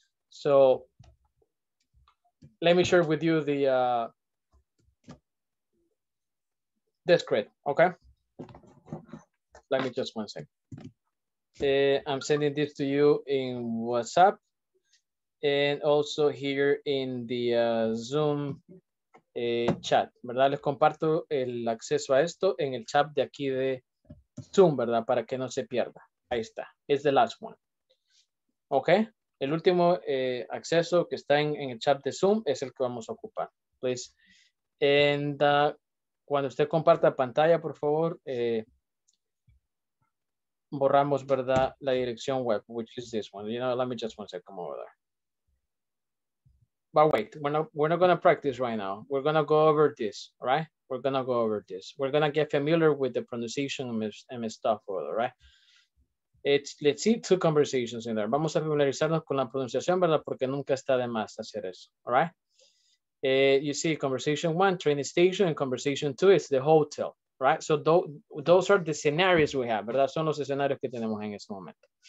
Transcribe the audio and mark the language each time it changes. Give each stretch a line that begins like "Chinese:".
English: So let me share with you the screen, okay? Let me just 1 second. I'm sending this to you in WhatsApp and also here in the Zoom chat,
Spanish: ¿verdad? Les comparto el acceso a esto en el chat de aquí de Zoom, ¿verdad? Para que no se pierda. Ahí está.
English: It's the last one. Okay.
Spanish: El último acceso que está en el chat de Zoom es el que vamos a ocupar.
English: Please. And
Spanish: cuando usted comparta pantalla, por favor, borramos, ¿verdad? La dirección web,
English: which is this one. You know, let me just 1 second come over there. But wait, we're not going to practice right now. We're going to go over this, right? We're going to go over this. We're going to get familiar with the pronunciation and stuff over there, right? It's, let's see, 2 conversations in there.
Spanish: Vamos a familiarizarnos con la pronunciación, ¿verdad? Porque nunca está de más hacer eso,
English: all right? You see, conversation 1, training station, and conversation 2 is the hotel. Right, so those are the scenarios we have,
Spanish: ¿verdad? Son los escenarios que tenemos en este momento.